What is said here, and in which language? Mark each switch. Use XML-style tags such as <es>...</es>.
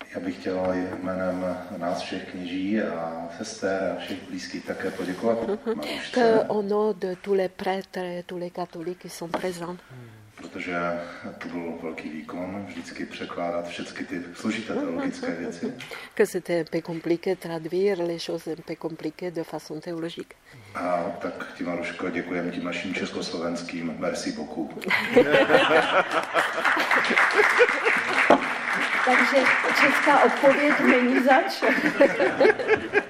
<cs>chtěl jménem nás všech kněží a sester a všech blízkých také poděkovat.</cs> <fr>Que au nom de tous les prêtres et tous les catholiques qui sont présents.</fr> <cs>Protože to byl velký výkon vždycky překládat všechny ty složité teologické věci.</cs> <fr>Que c'était un peu compliqué de traduire les choses un peu compliquées de façon théologique.</fr> <cs>A tak ti, Maruško, děkujeme tím naším československým</cs> <fr>merci beaucoup.</fr> <cs>Takže česká odpověď není zač.</cs>